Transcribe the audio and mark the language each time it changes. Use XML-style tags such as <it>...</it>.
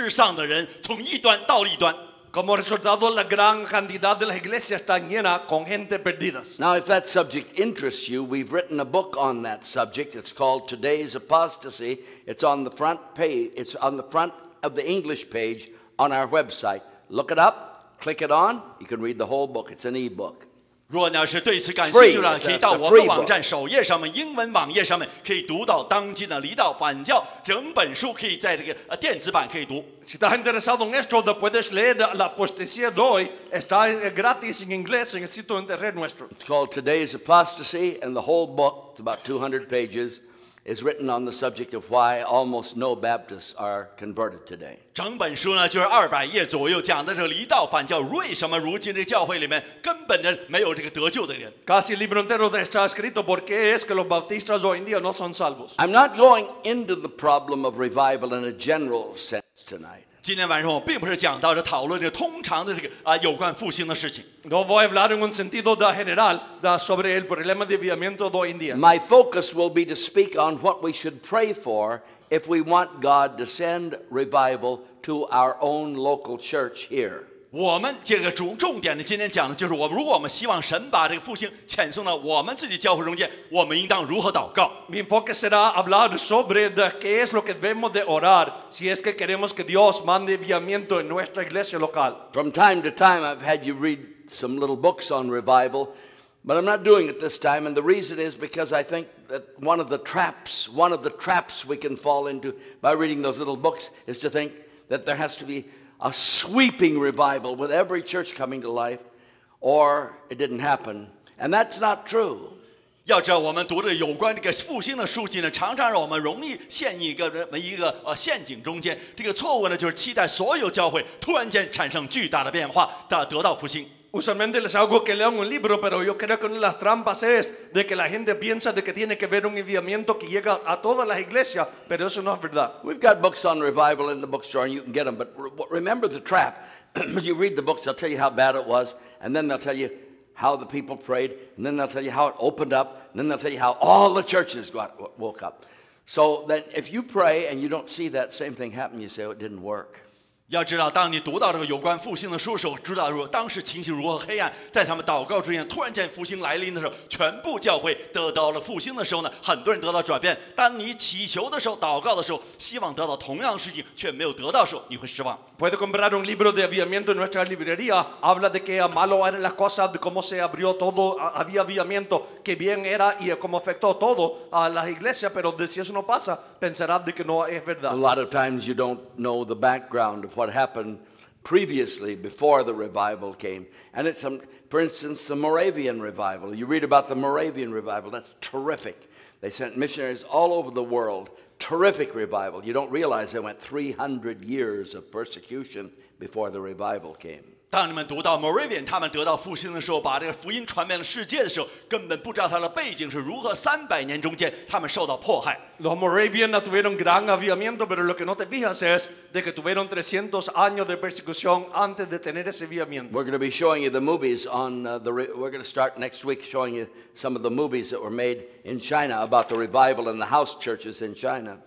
<zh>其结果就是我们教会里面坐满了世上的人，从一端到一端。</zh> <es>Como resultado, la gran cantidad de las iglesias está llena con gente perdidas.</es> <en>Now, if that subject interests you, we've written a book on that subject. It's called Today's Apostasy. It's on the front page. It's on the front of the English page on our website. Look it up. Click it on. You can read the whole book. It's an e-book.</en> <zh>如果你要是对此感兴趣，可以到我们的网站首页上面，英文网页上面可以读到当今的离道反教整本书，可以在这个电子版可以读。</zh> <es>Si estás interesado en esto, puedes leer la apostasía de hoy. Está gratis en inglés en el sitio internet nuestro.</es> <en>It's called Today's Apostasy, and the whole book, it's about 200 pages, is written on the subject of why almost no Baptists are converted today.</en> <zh>整本书呢就是200页左右，讲的这离道反教，为什么如今这教会里面根本的没有这个得救的人。</zh> <es>Casi el libro entero está escrito porque es que los bautistas hoy en día no son salvos.</es> <en>I'm not going into the problem of revival in a general sense tonight.</en> <zh>今天晚上我并不是讲到这讨论这通常的这个啊有关复兴的事情。</zh> <es>No voy a hablar en un sentido de general de sobre el problema de avivamiento de hoy en día.</es> <en>My focus will be to speak on what we should pray for if we want God to send revival to our own local church here.</en> <zh>我们这个重点的今天讲的就是我们如果我们希望神把这个复兴遣送到我们自己教会中间，我们应当如何祷告。</zh> <es>Mi enfoque será hablar sobre de qué es lo que debemos de orar si es que queremos que Dios mande avivamiento en nuestra iglesia local.</es> <en>From time to time, I've had you read some little books on revival, but I'm not doing it this time, and the reason is because I think that one of the traps we can fall into by reading those little books is to think that there has to be a sweeping revival with every church coming to life, or it didn't happen, and that's not true.</en> <zh>要知道，我们读的有关这个复兴的书籍呢，常常让我们容易陷入一个陷阱中间。这个错误呢，就是期待所有教会突然间产生巨大的变化，得到复兴。</zh> <es>Usualmente les hago que lean un libro, pero yo creo que una de las trampas es de que la gente piensa de que tiene que ver un avivamiento que llega a todas las iglesias, pero eso no es verdad.</es> <en>We've got books on revival in the bookstore and you can get them, but remember the trap. You read the books, they'll tell you how bad it was, and then they'll tell you how the people prayed, and then they'll tell you how it opened up, and then they'll tell you how all the churches woke up. So then if you pray and you don't see that same thing happen, you say, oh, it didn't work.</en> <zh>要知道，当你读到这个有关复兴的书的时候，知道当时情形如何黑暗，在他们祷告之间突然间复兴来临的时候，全部教会得到了复兴的时候呢，很多人得到转变。当你祈求的时候，祷告的时候，希望得到同样的事情却没有得到的时候，你会失望。</zh> <es>Puede comprar un libro de avivamiento en nuestra librería. Habla de que malo eran las cosas, de cómo se abrió todo, había avivamiento, que bien era y cómo afectó todo a las iglesias. Pero si eso no pasa, pensarás de que no es verdad.</es> <en>A lot of times you don't know the background of what happened previously before the revival came. And it's, for instance, the Moravian revival. You read about the Moravian revival. That's terrific. They sent missionaries all over the world. Terrific revival. You don't realize they went 300 years of persecution before the revival came.</en> <zh>当你们读到 Moravian 他们得到复兴的时候，把这个福音传遍了世界的时候，根本不知道他的背景是如何。 300年中间，他们受到迫害。</zh> <es>Los Moravians tuvieron gran avivamiento, pero lo que no te fijas es de que tuvieron 300 años de persecución antes de tener ese avivamiento.</es> <en>We're going to be showing you the movies on the. We're going to start next week showing you some of the movies that were made. In China, about the revival in the house churches in China.</en>